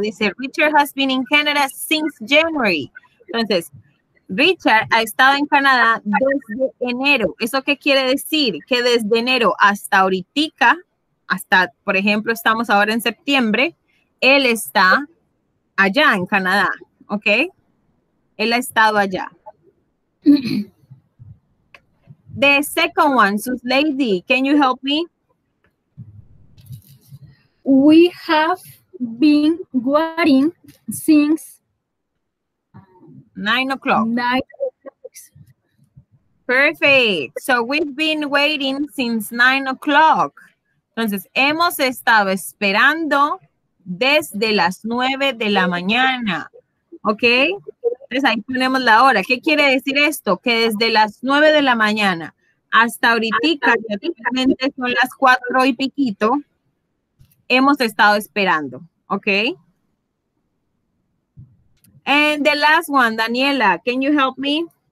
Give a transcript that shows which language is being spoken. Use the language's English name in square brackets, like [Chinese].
[English] Dice, Richard has been in Canada since January. [Spanish] Entonces, Richard ha estado en Canadá desde enero. ¿Eso qué quiere decir? Que desde enero hasta ahorita, hasta, por ejemplo, estamos ahora en septiembre, él está allá en Canadá, ¿ok? Él ha estado allá. [English] The second one, Sus Lady, can you help me? We have been waiting since 9 o'clock. Perfect. So we've been waiting since 9 o'clock. [Spanish] Entonces, hemos estado esperando desde las 9 de la mañana. ¿Ok? Entonces, ahí ponemos la hora. ¿Qué quiere decir esto? Que desde las 9 de la mañana hasta ahorita, que prácticamente son las 4 y piquito, hemos estado esperando. ¿Ok? [English] And the last one, Daniela, can you help me?